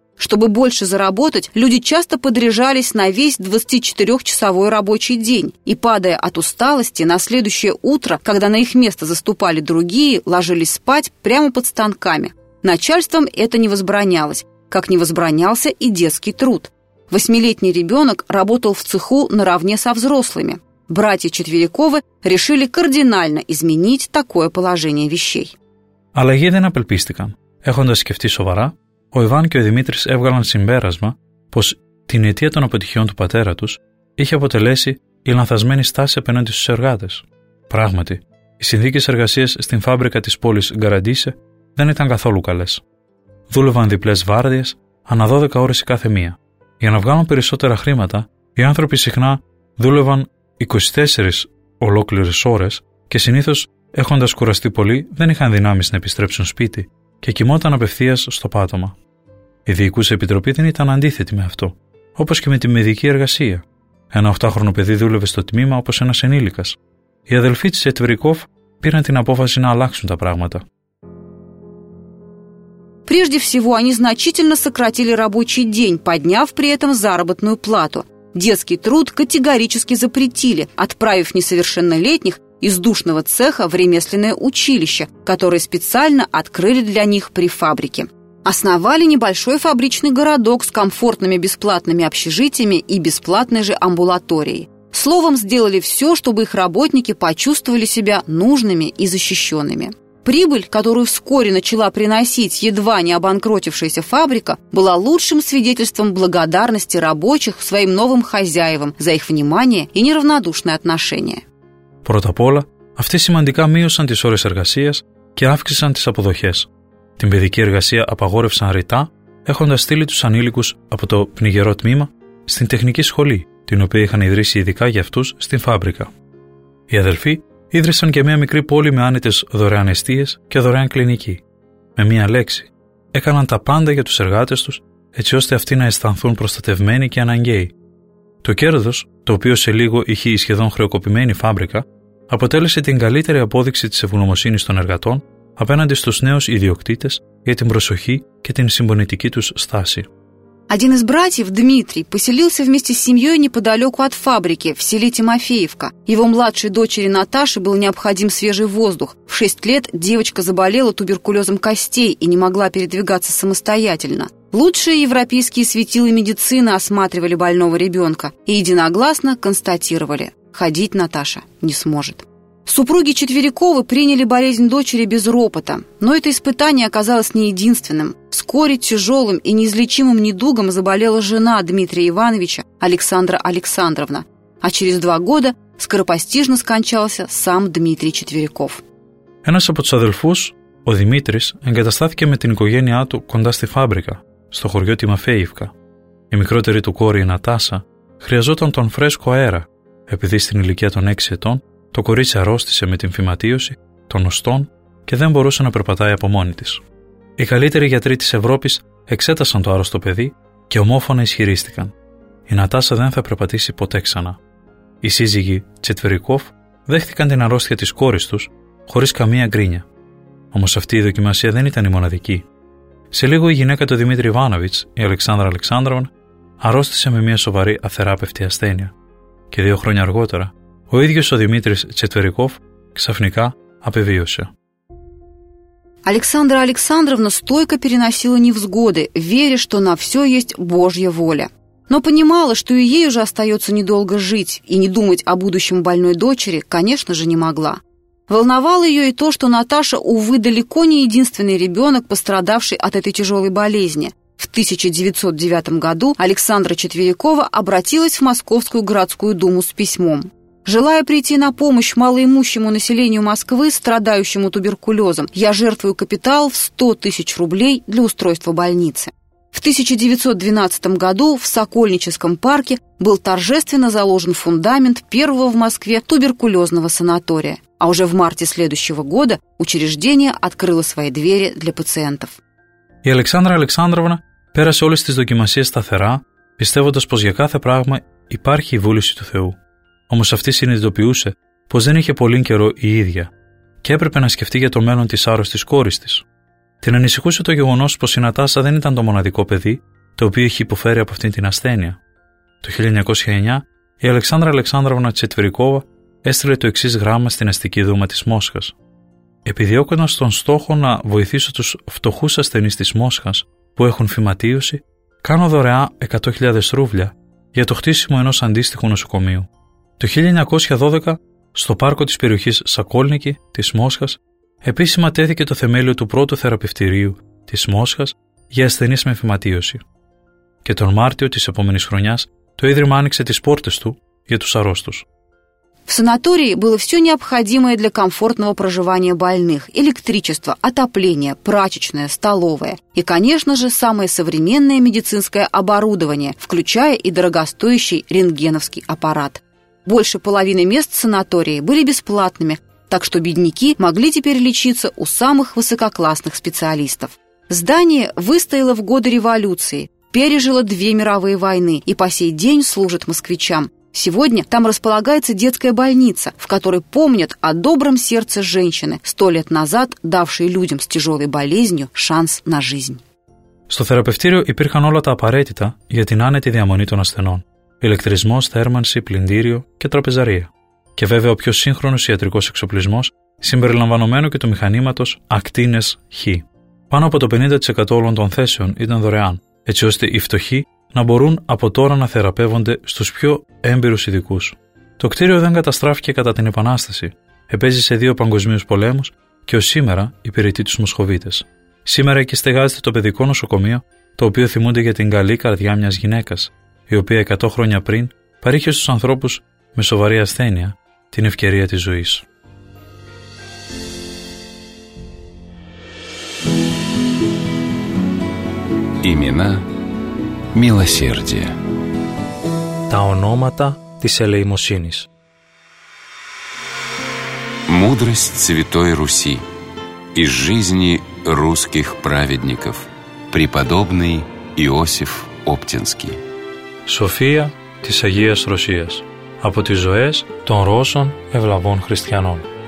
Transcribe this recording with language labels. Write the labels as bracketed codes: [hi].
[ru] Чтобы больше заработать, люди часто подряжались на весь 24-часовой рабочий день и, падая от усталости, на следующее утро, когда на их место заступали другие, ложились спать прямо под станками. Начальством это не возбранялось, как не возбранялся и детский труд. 8-летний ребенок работал в цеху наравне со взрослыми. Братья Четверяковы решили кардинально изменить такое положение вещей. [el] Αλλαγή δεν απελπίστηκαν. Έχοντας σκεφτεί σοβαρά, ο Ιβάν και ο Δημήτρης έβγαλαν συμπέρασμα πως την αιτία των αποτυχιών του πατέρα τους είχε αποτελέσει η λανθασμένη στάση απέναντι στους εργάτες. Πράγματι, οι συνθήκες εργασίας στην φάμπρικα της πόλης Γκαραντίσε δεν ήταν καθόλου καλές. Δούλευαν διπλές βάρδιες, ανά 12 ώρες η κάθε μία. Για να βγάλουν περισσότερα χρήματα, οι άνθρωποι συχνά δούλευαν 24 ολόκληρες ώρες και συνήθως, έχοντας κουραστεί πολύ, δεν είχαν δυνάμεις να επιστρέψουν σπίτι και κοιμόταν απευθείας στο πάτωμα. Η διοικούσα επιτροπή δεν ήταν αντίθετη με αυτό, όπως και με τη μεδική εργασία. Ένα 8χρονο παιδί δούλευε στο τμήμα όπως ένας ενήλικας. Οι αδελφοί της Ετβερικόφ πήραν την απόφαση να αλλάξουν τα πράγματα. [ru] Прежде всего, они значительно сократили рабочий день, подняв при этом заработную плату. Детский труд категорически запретили, отправив несовершеннолетних из душного цеха в ремесленное училище, которое специально открыли для них при фабрике. Основали небольшой фабричный городок с комфортными бесплатными общежитиями и бесплатной же амбулаторией. Словом, сделали все, чтобы их работники почувствовали себя нужными и защищенными. Прибыль, которую вскоре начала приносить едва не обанкротившаяся фабрика, была лучшим свидетельством благодарности рабочих своим новым хозяевам за их внимание и неравнодушное отношение. [el] Πρώτα απ' όλα, αυτοί σημαντικά μείωσαν τις ώρες εργασίας και αύξησαν τις αποδοχές. Την παιδική εργασία απαγόρευσαν ρητά, έχοντας στείλει τους ανήλικους από το πνιγερό τμήμα στην τεχνική σχολή, την οποία είχαν ιδρύσει ειδικά για αυτούς στην φάμπρικα. Οι αδελφοί ίδρυσαν και μια μικρή πόλη με άνετες δωρεάν εστίες και δωρεάν κλινική. Με μία λέξη, έκαναν τα πάντα για τους εργάτες τους, έτσι ώστε αυτοί να αισθανθούν προστατευμένοι και αναγκαίοι. Το κέρδος, το οποίο σε λίγο είχε η σχεδόν χρεοκοπημένη φάμπρικα, αποτέλεσε την καλύτερη απόδειξη της ευγνωμοσύνης των εργατών απέναντι στους νέους ιδιοκτήτες για την προσοχή και την συμπονητική τους στάση. [ru] Один из братьев, Дмитрий, поселился вместе с семьей неподалеку от фабрики, в селе Тимофеевка. Его младшей дочери Наташе был необходим свежий воздух. В 6 лет девочка заболела туберкулезом костей и не могла передвигаться самостоятельно. Лучшие европейские светилы медицины осматривали больного ребенка и единогласно констатировали – ходить Наташа не сможет. Супруги Четверяковы приняли болезнь дочери без ропота, но это испытание оказалось не единственным. Вскоре тяжелым и неизлечимым недугом заболела жена Дмитрия Ивановича, Александра Александровна. А через 2 года скоропостижно скончался сам Дмитрий Четверяков. [el] Ένας από τους αδελφούς, ο Δημήτρης, εγκαταστάθηκε με την οικογένειά του κοντά στη φάμπρικα, στο χωριό Τιμαφέιβκα. Η μικρότερη του κόρη, η Νατάσα, χρειαζόταν τον φρέσκο αέρα, επειδή στην ηλικία των 6 ετών το κορίτσι αρρώστησε με την φυματίωση των οστών και δεν μπορούσε να περπατάει από μόνη της. Οι καλύτεροι γιατροί της Ευρώπης εξέτασαν το άρρωστο παιδί και ομόφωνα ισχυρίστηκαν. Η Νατάσα δεν θα περπατήσει ποτέ ξανά. Οι σύζυγοι Τσετβερικόφ δέχτηκαν την αρρώστια της κόρης τους χωρίς καμία γκρίνια. Όμως αυτή η δοκιμασία δεν ήταν η μοναδική. Σε λίγο η γυναίκα του Δημήτρη Ιβάνοβιτς, η Αλεξάνδρα Αλεξάνδρων, αρρώστησε με μια σοβαρή αθεράπευτη ασθένεια. Και 2 χρόνια αργότερα, ο ίδιος ο Δημήτρης Τσετβερικόφ ξαφνικά απεβίωσε. [ru] Александра Александровна стойко переносила невзгоды, веря, что на все есть Божья воля. Но понимала, что и ей уже остается недолго жить, и не думать о будущем больной дочери, конечно же, не могла. Волновало ее и то, что Наташа, увы, далеко не единственный ребенок, пострадавший от этой тяжелой болезни. В 1909 году Александра Четверякова обратилась в Московскую городскую думу с письмом. «Желая прийти на помощь малоимущему населению Москвы, страдающему туберкулезом, я жертвую капитал в 100 тысяч рублей для устройства больницы». В 1912 году в Сокольническом парке был торжественно заложен фундамент первого в Москве туберкулезного санатория. А уже в марте следующего года учреждение открыло свои двери для пациентов. [el] И Александра Александровна пέρασε όλες τις δοκιμασίες σταθερά, πιστεύοντας πως για κάθε πράγμα υπάρχει η βούληση του Θεού. όμως αυτή συνειδητοποιούσε πως δεν είχε πολύ καιρό η ίδια και έπρεπε να σκεφτεί για το μέλλον της άρρωστης κόρης της. Την ανησυχούσε το γεγονός πως η Νατάσα δεν ήταν το μοναδικό παιδί το οποίο είχε υποφέρει από αυτήν την ασθένεια. Το 1909 η Αλεξάνδρα Αλεξάνδροβνα Τσετβερικόβα έστειλε το εξής γράμμα στην αστική δούμα της Μόσχας. Επιδιώκοντας τον στόχο να βοηθήσω τους φτωχούς ασθενείς της Μόσχας που έχουν φυματίωση, κάνω δωρεά 100.000 ρούβλια για το χτίσιμο ενός αντίστοιχου νοσοκομείου. Το 1912, στο πάρκο της περιοχής Σακόλνικη της Μόσχας, επίσημα τέθηκε το θεμέλιο του πρώτου θεραπευτηρίου της Μόσχας για ασθενείς με φυματίωση. Και τον Μάρτιο της επόμενης χρονιάς, το Ίδρυμα άνοιξε τις πόρτες του για τους αρρώστους. [ru] В санатории было все необходимое для комфортного проживания больных – электричество, отопление, прачечная, столовая и, конечно же, самое современное медицинское оборудование, включая и дорогостоящий рентгеновский аппарат. Больше половины мест санатория были бесплатными, так что бедняки могли теперь лечиться у самых высококлассных специалистов. Здание выстояло в годы революции, пережило две мировые войны и по сей день служит москвичам. Сегодня там располагается детская больница, в которой помнят о добром сердце женщины, 100 лет назад давшей людям с тяжелой болезнью шанс на жизнь. [el] Στο θεραπευτήριο υπήρχαν όλα τα απαραίτητα για την άνετη διαμονή των ασθενών. Ηλεκτρισμός, θέρμανση, πλυντήριο και τραπεζαρία. Και βέβαια ο πιο σύγχρονος ιατρικός εξοπλισμός, συμπεριλαμβανομένου και του μηχανήματος ακτίνες Χ. Πάνω από το 50% όλων των θέσεων ήταν δωρεάν, έτσι ώστε οι φτωχοί να μπορούν από τώρα να θεραπεύονται στους πιο έμπειρους ειδικούς. Το κτίριο δεν καταστράφηκε κατά την Επανάσταση, επέζησε 2 παγκοσμίους πολέμους και ως σήμερα υπηρετεί τους Μοσχοβίτες. Σήμερα εκεί στεγάζεται το παιδικό νοσοκομείο, το οποίο θυμούνται για την καλή καρδιά μιας γυναίκας, η οποία 100 χρόνια πριν παρήχε στους ανθρώπους με σοβαρή ασθένεια την ευκαιρία της ζωής. [ru] Ημινά. Милосердие. [el] Τα ονόματα της ελεημοσύνης. [ru] Мудрость Святой Руси из жизни русских праведников. Преподобный Иосиф Оптинский. [el] Σοφία της Αγίας Ρωσίας από τις ζωές των Ρώσων ευλαβών χριστιανών.